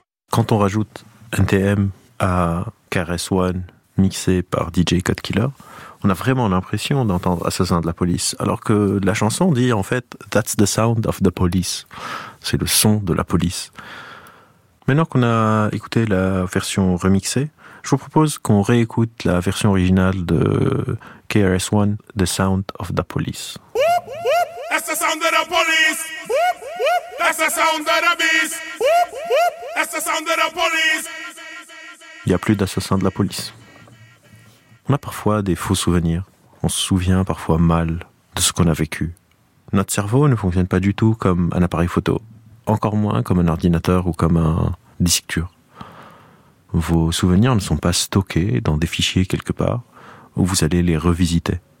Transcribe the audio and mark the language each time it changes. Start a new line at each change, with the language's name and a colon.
French: Quand on rajoute NTM à KRS-One mixé par DJ Codekiller, on a vraiment l'impression d'entendre Assassin de la police, alors que la chanson dit en fait «
English: That's the sound of the police
French: », c'est le son de la police. Maintenant qu'on a écouté la version remixée, je vous propose qu'on réécoute la version originale de KRS-One, « The sound of the police ».
English: That's the sound of the police. That's the sound of the beast. That's the sound of the police.
French: Il n'y a plus d'assassins de la police. On a parfois des faux souvenirs. On se souvient parfois mal de ce qu'on a vécu. Notre cerveau ne fonctionne pas du tout comme un appareil photo. Encore moins comme un ordinateur ou comme un disque dur. Vos souvenirs ne sont pas stockés dans des fichiers quelque part où vous allez les revisiter.